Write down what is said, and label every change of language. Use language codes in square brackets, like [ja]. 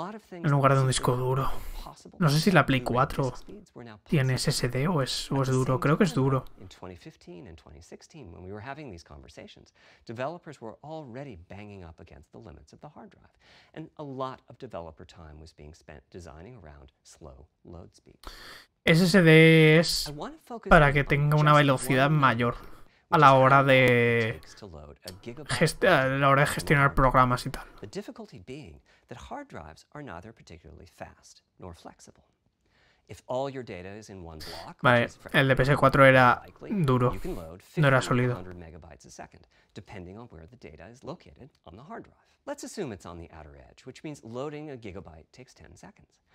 [es] En lugar de un disco duro. No sé si la Play 4 tiene SSD o es duro, creo que es duro. [en] In 2015 and 2016, when we were having these conversations, developers were already banging up against the limits of the hard drive, and a lot of developer time was being spent designing around slow load speeds. [es] SSD es para que tenga una velocidad mayor a la hora de gestionar programas y tal. [en] The difficulty being that hard drives are neither particularly fast nor flexible. If all your data is in one block, [es] vale, el de PS4 era duro, no era sólido. [en] Depending on where the data is located on the hard drive. Let's assume it's on the outer edge, which means loading a gigabyte takes 10 seconds.